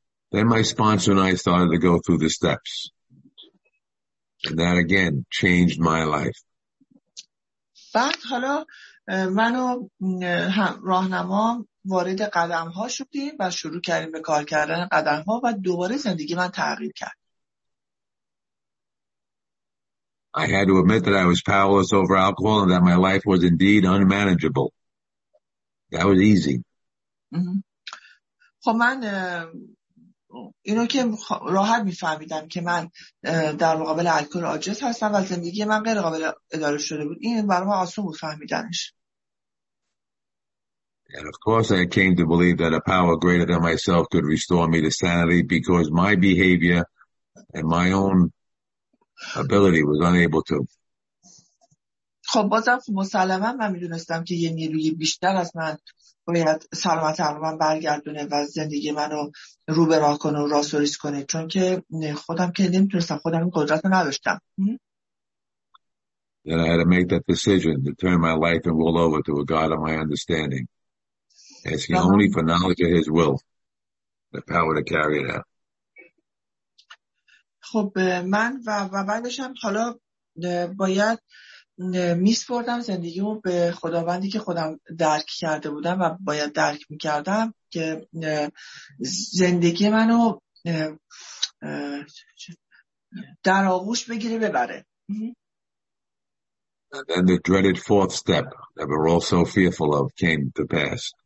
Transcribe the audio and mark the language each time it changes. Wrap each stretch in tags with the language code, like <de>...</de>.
<en>Then my sponsor and I started to go through the steps. And that again changed my life.</en> <fa>بعد حالا من و راهنمام وارد قدم‌ها شدیم و شروع کردیم به کار کردن قدم‌ها و دوباره زندگی من تغییر کرد.</fa> <en>I had to admit that I was powerless over alcohol and that my life was indeed unmanageable. That was easy.</en> <fa>خب من اینو که راحت میفهمیدم که من در مقابل الکل عاجز هستم و زندگی من غیر قابل اداره شده بود، این برای من آسون بود فهمیدنش.</fa> <en>And of course I came to believe that a power greater than myself could restore me to sanity because my behavior and my own ability was unable to.</en> <fa>خب بازم مسلما من میدونستم که یه نیروی بیشتر از من باید سلامت رو من برگردونه و زندگی منو رو به راه کنه و راست و ریس کنه، چون که خودم که نمیتونستم، خودم این قدرت رو نداشتم.</fa> <en>Then I had to make that decision to turn my life and will over to a God of my understanding. Asking only for knowledge of his will, the power to carry it out.</en> <fa>خب من و بعدشم حالا باید میسپردم زندگیمو به خداوندی که خودم درک کرده بودم و باید درک میکردم که زندگی منو در آغوش بگیره ببره.</fa> <en>And then the dreaded fourth step that we're all so fearful of came to pass.</en>